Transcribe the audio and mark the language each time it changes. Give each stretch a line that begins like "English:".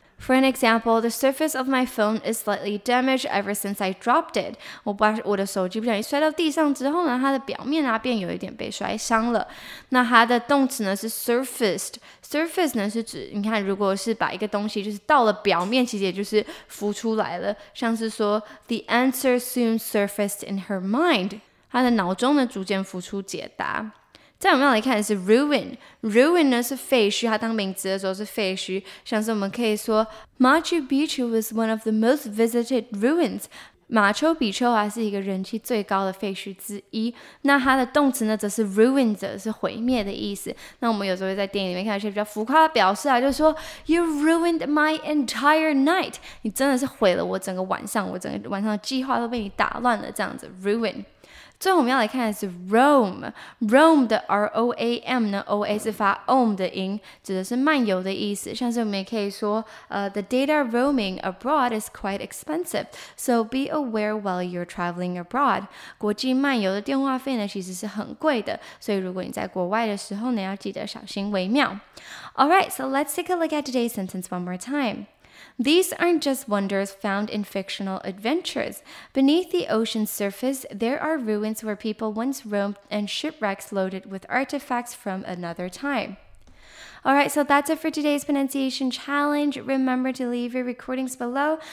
English: For an example, the surface of my phone is slightly damaged ever since I dropped it.
Chinese: 我的手机不小心摔到地上之后呢，它的表面啊便有一点被摔伤了。那它的动词呢是 surfaced。 Surface 呢是指你看，如果是把一个东西就是到了表面，其实也就是浮出来了。像是说
English: ，the answer soon surfaced in her mind.
Chinese: 她的脑中呢逐渐浮出解答。再我们要来看的是 ruin 呢是废墟，它当名词的时候是废墟。像是我们可以说
English: Machu Picchu was one of the most visited ruins，
Chinese: 马丘比丘还是一个人气最高的废墟之一。那它的动词呢则是 ruin， 则是毁灭的意思。那我们有时候在电影里面看一些比较浮夸的表示啊，就是说
English: You ruined my entire night，
Chinese: 你真的是毁了我整个晚上，我整个晚上的计划都被你打乱了，这样子 ruin。最后我们要来看的是 roam 的 R-O-A-M 呢， O-A 是发 om 的音，指的是漫游的意思。像是我们也可以说
English: the data roaming abroad is quite expensive, so be aware while you're traveling abroad.
Chinese: 国际漫游的电话费呢其实是很贵的，所以如果你在国外的时候呢要记得小心为妙。
English: Alright, so let's take a look at today's sentence one more time. These aren't just wonders found in fictional adventures. Beneath the ocean's surface, there are ruins where people once roamed and shipwrecks loaded with artifacts from another time. Alright, so that's it for today's pronunciation challenge. Remember to leave your recordings below.